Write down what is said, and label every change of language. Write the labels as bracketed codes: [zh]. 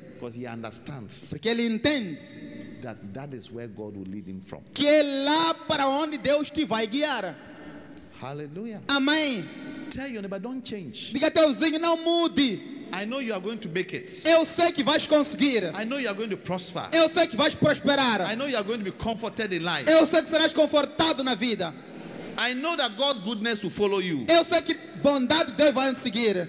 [en] Because he understands. [pt] Porque ele entende. [en] That is where God will lead him from. [pt] Que é lá para onde Deus te vai guiar. [en] Hallelujah. [pt] Amém. [en] Tell your neighbor, don't change. [pt] Diga teu vizinho, não mude. [en] I know you are going to make it. [pt] Eu sei que vais conseguir. [en] I know you are going to prosper. [pt] Eu sei que vais prosperar. [en] I know you are going to be comforted in life. [pt] Eu sei que serás confortado na vida. [en] I know that God's goodness will follow you. [pt] Eu sei que bondade de Deus vai seguir.